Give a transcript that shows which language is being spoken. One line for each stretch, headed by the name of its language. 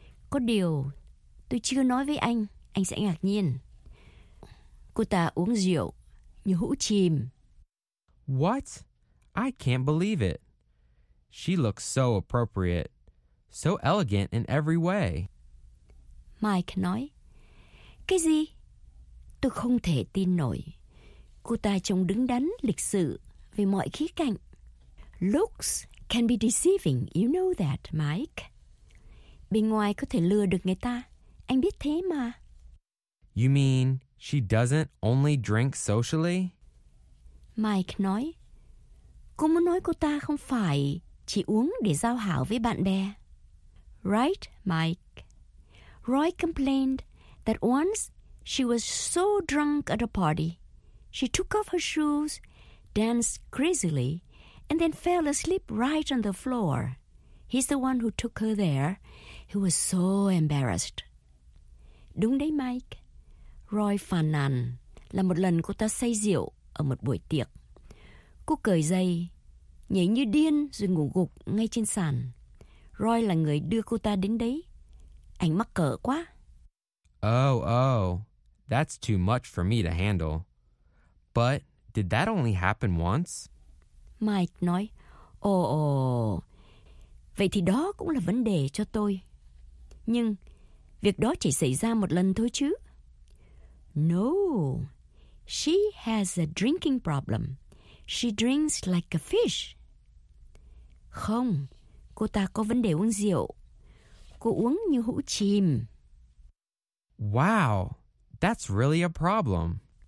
Vietnamese: Có điều tôi chưa nói với anh sẽ ngạc nhiên. Cô ta uống rượu như hũ chìm.
English: What? I can't believe it. She looks so appropriate. So elegant in every way.
Vietnamese: Mike nói. Cái gì? Tôi không thể tin nổi. Cô ta trông đứng đắn lịch sự về mọi khía cạnh.
English: Looks can be deceiving, you know that, Mike.
Vietnamese: Bên ngoài có thể lừa được người ta. Anh biết thế mà.
English: You mean she doesn't only drink socially?
Vietnamese: Mike nói. Cô muốn nói cô ta không phải chỉ uống để giao hảo với bạn bè.
English: Right, Mike. Roy complained that once she was so drunk at a party, she took off her shoes, danced crazily, and then fell asleep right on the floor. He's the one who took her there. He was so embarrassed.
Vietnamese: Đúng đấy, Mike. Roy phàn nàn là một lần cô ta say rượu ở một buổi tiệc. Cô cởi giày, nhảy như điên rồi ngủ gục ngay trên sàn. Roy là người đưa cô ta đến đấy. Anh mắc cỡ quá.
English: Oh, that's too much for me to handle. But did that only happen once?
Vietnamese: Mike nói, vậy thì đó cũng là vấn đề cho tôi. Nhưng việc đó chỉ xảy ra một lần thôi chứ.
English: No, she has a drinking problem. She drinks like a fish.
Vietnamese: Không, cô ta có vấn đề uống rượu. Cô uống như hũ chìm.
English: Wow, that's really a problem.